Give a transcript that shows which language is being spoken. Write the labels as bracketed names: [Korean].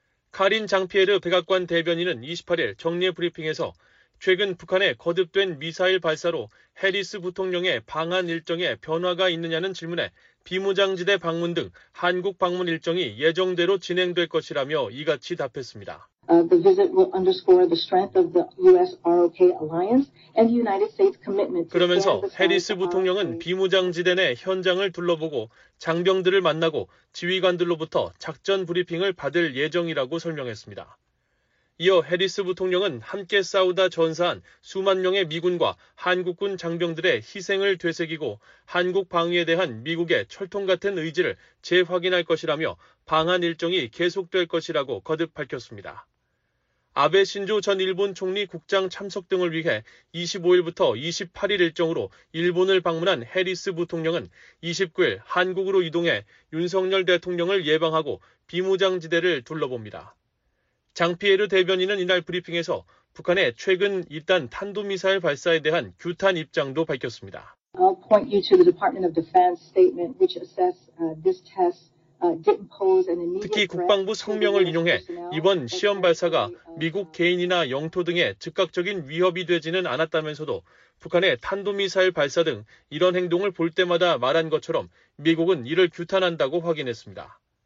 [Korean] 카린 장피에르 백악관 대변인은 28일 정례 브리핑에서 최근 북한의 거듭된 미사일 발사로 해리스 부통령의 방한 일정에 변화가 있느냐는 질문에 비무장지대 방문 등 한국 방문 일정이 예정대로 진행될 것이라며 이같이 답했습니다. [English] The visit will underscore the strength of the US ROK alliance and the United States commitment. [Korean] 그러면서 해리스 부통령은 비무장지대 내 현장을 둘러보고 장병들을 만나고 지휘관들로부터 작전 브리핑을 받을 예정이라고 설명했습니다. 이어 해리스 부통령은 함께 싸우다 전사한 수만 명의 미군과 한국군 장병들의 희생을 되새기고 한국 방위에 대한 미국의 철통 같은 의지를 재확인할 것이라며 방한 일정이 계속될 것이라고 거듭 밝혔습니다. 아베 신조 전 일본 총리 국장 참석 등을 위해 25일부터 28일 일정으로 일본을 방문한 해리스 부통령은 29일 한국으로 이동해 윤석열 대통령을 예방하고 비무장지대를 둘러봅니다. 장피에르 대변인은 이날 브리핑에서 북한의 최근 잇단 탄도미사일 발사에 대한 규탄 입장도 밝혔습니다. [English] I'll point you to the Department of Defense statement which assess this test. [Korean] 특히 국방부 성명을 인용해 이번 시험 발사가 미국 개인이나 영토 등에 즉각적인 위협이 되지는 않았다면서도 북한의 탄도미사일 발사 등 이런 행동을 볼 때마다 말한 것처럼 미국은 이를 규탄한다고 확인했습니다.